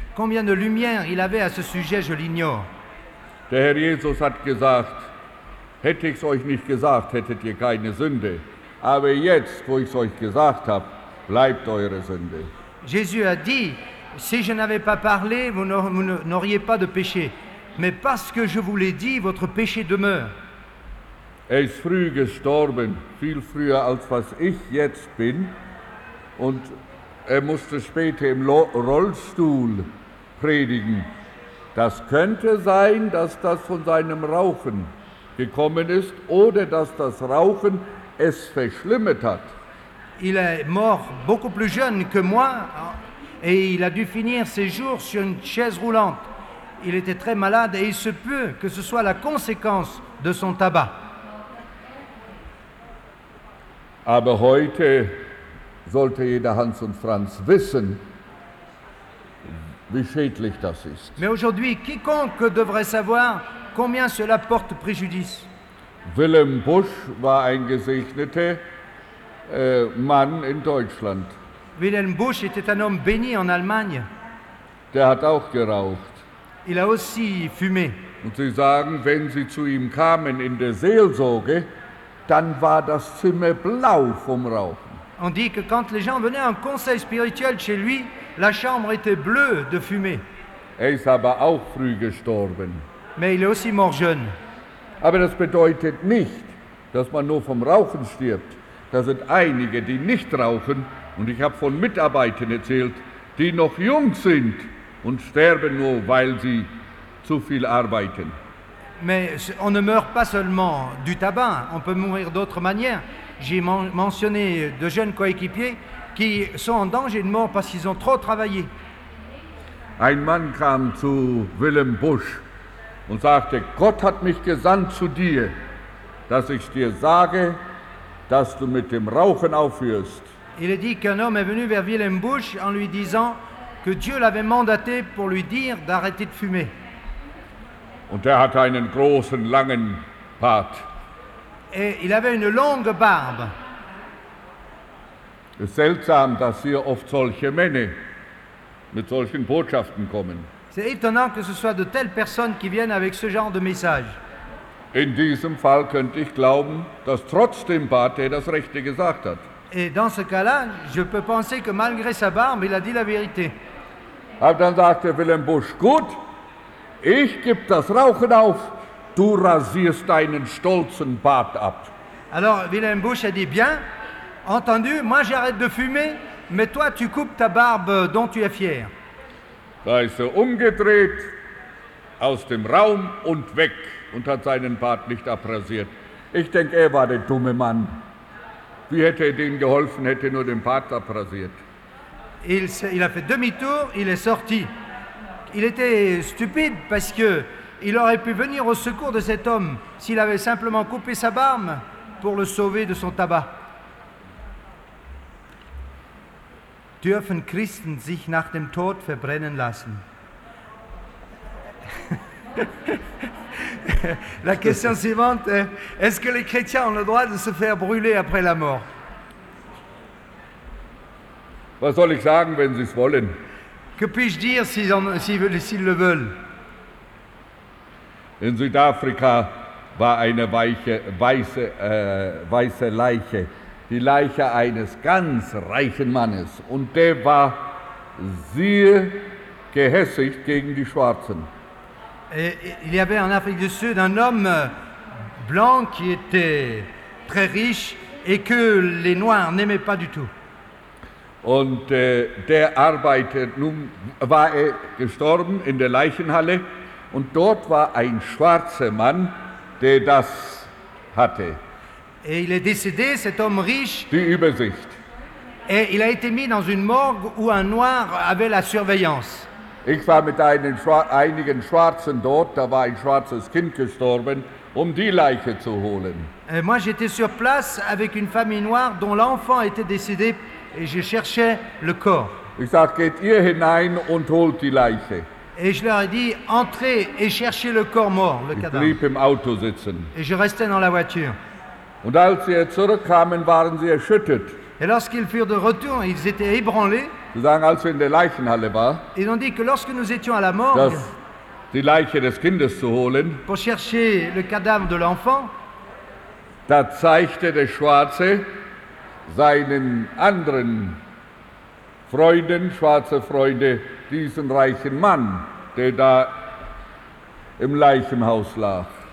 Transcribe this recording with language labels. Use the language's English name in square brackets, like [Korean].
[French] Combien de lumière il avait à ce sujet, je l'ignore. [German] Der Herr Jesus hat gesagt, hätte ich es euch nicht gesagt, hättet ihr keine Sünde. Aber jetzt, wo ich es euch gesagt habe, bleibt eure Sünde. [French] Jésus a dit, si je n'avais pas parlé, vous n'auriez pas de péché. Mais parce que je vous l'ai dit, votre péché demeure. [German] Er ist früh gestorben, viel früher als was ich jetzt bin. Und musste später im Rollstuhl predigen. Das könnte sein, dass das von seinem Rauchen gekommen ist oder dass das Rauchen es verschlimmert hat. [French] Il est mort beaucoup plus jeune que moi et il a dû finir ses jours sur une chaise roulante. Il était très malade et il se peut que ce soit la conséquence de son tabac. [German] Aber heute sollte jeder Hans und Franz wissen, wie schädlich das ist. [French] Mais aujourd'hui, quiconque devrait savoir combien cela porte préjudice. [German] Wilhelm Busch war ein gesegneter Mann in Deutschland. [French] Wilhelm Busch était un homme béni en Allemagne. [German] Der hat auch geraucht. [French] Il a aussi fumé. [German] Und sie sagen, wenn sie zu ihm kamen in der Seelsorge, dann war das Zimmer blau vom Rauchen. [French] On dit que quand les gens venaient en conseil spirituel chez lui, la chambre était bleue de fumée. [German] Er ist aber auch früh gestorben. [French] Mais il est aussi mort jeune. [German] Aber das bedeutet nicht, dass man nur vom Rauchen stirbt. Da sind einige, die nicht rauchen, und ich habe von Mitarbeitern erzählt, die noch jung sind und sterben nur, weil sie zu viel arbeiten. [French] Mais on ne meurt pas seulement du tabac, on peut mourir d'autres manières. J'ai mentionné de jeunes coéquipiers qui sont en danger de mort parce qu'ils ont trop travaillé. [German] Ein Mann kam zu Wilhelm Busch und sagte, Gott hat mich gesandt zu dir, dass ich dir sage, dass du mit dem Rauchen aufhörst. [French] Il est dit qu'un homme est venu vers Wilhelm Busch en lui disant que Dieu l'avait mandaté pour lui dire d'arrêter de fumer. [German] Und er hatte einen großen, langen Bart. [French] Et il avait une longue barbe. [German] Es ist seltsam, dass hier oft solche Männer mit solchen Botschaften kommen. [French] C'est étonnant que ce soit de telles personnes qui viennent avec ce genre de message. [German] In diesem Fall könnte ich glauben, dass trotz dem Bart er das Rechte gesagt hat. [French] Et dans ce cas-là, je peux penser que malgré sa barbe, il a dit la vérité. [German] Aber dann sagte Wilhelm Busch, gut, ich gebe das Rauchen auf, du rasierst deinen stolzen Bart ab. [French] Alors, Wilhelm Busch a dit, bien, entendu, moi j'arrête de fumer, mais toi tu coupes ta barbe dont tu es fier. [German] Da ist er umgedreht, aus dem Raum und weg und hat seinen Bart nicht abrasiert. Ich denke, er war der dumme Mann. Wie hätte er denen geholfen, hätte nur den Bart abrasiert. [French] Il a fait demi-tour, il est sorti. Il était stupide parce que il aurait pu venir au secours de cet homme s'il avait simplement coupé sa barbe pour le sauver de son tabac. [German] Dürfen Christen sich nach dem Tod verbrennen lassen? [French] La question suivante est, est-ce que les chrétiens ont le droit de se faire brûler après la mort? [German] Was soll ich sagen, wenn sie es wollen? [French] Que puis-je dire s'ils le veulent? [German] In Südafrika war eine weiße Leiche, die Leiche eines ganz reichen Mannes, und der war sehr gehässig gegen die Schwarzen. [French] Et il y avait en Afrique du Sud un homme blanc qui était très riche et que les Noirs n'aimaient pas du tout. [German] Und der arbeitet, nun war er gestorben in der Leichenhalle und dort war ein schwarzer Mann, der das hatte. [French] Et il est décédé, cet homme riche. [German] Die Übersicht. [French] Et il a été mis dans une morgue où un Noir avait la surveillance. [German] Ich war mit einigen Schwarzen dort, da war ein schwarzes Kind gestorben, um die Leiche zu holen. [French] Et moi j'étais sur place avec une famille noire dont l'enfant était décédé. Et je cherchais le corps. [German] Ich sag, geht ihr hinein und holt die Leiche. [French] Et je leur ai dit, entrez et cherchez le corps mort, le [German] ich [French] cadavre. [German] Blieb im Auto sitzen. [French] Et je restais dans la voiture. [German] Und als sie zurückkamen, waren sie erschüttert. [French] Et lorsqu'ils furent de retour, ils étaient ébranlés. [German] Sie sagen, als wir in der Leichenhalle war, [French] ils ont dit que lorsque nous étions à la morgue, [German] dass die Leiche des Kindes zu holen, [French] pour chercher le cadavre de l'enfant, [German] da zeigte der Schwarze seinen anderen Freunden, schwarze Freunde, diesen reichen Mann, der da im Leichenhaus lag.